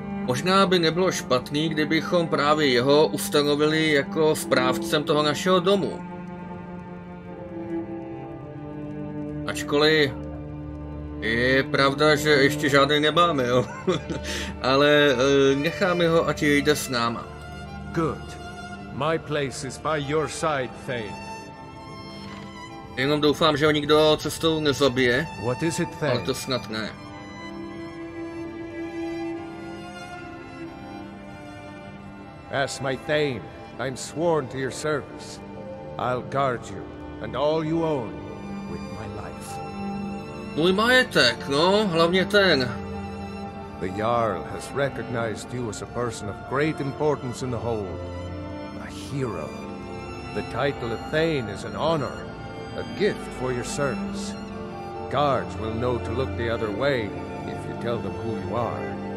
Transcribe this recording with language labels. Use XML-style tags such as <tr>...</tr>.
<cs>Možná by nebylo špatný, kdybychom právě jeho ustanovili jako správcem toho našeho domu. Ačkoliv je pravda, že ještě žádný nemáme, jo? Ale necháme ho, ať jde s náma.</cs> <en>Good. My place is by your side, Thane.</en> <cs>Jenom doufám, že ho nikdo cestou nezabije.</cs> <en>What is it, Thane?</en> <cs>Ale to snad ne.</cs> <en>As my Thane, I'm sworn to your service. I'll guard you and all you own with my life.</en> <cs>Můj majetek, no, hlavně ten.</cs> <en>The Jarl has recognized you as a person of great importance in the Hold. A hero. The title of Thane is an honor, a gift for your service. Guards will know to look the other way if you tell them who you are.</en>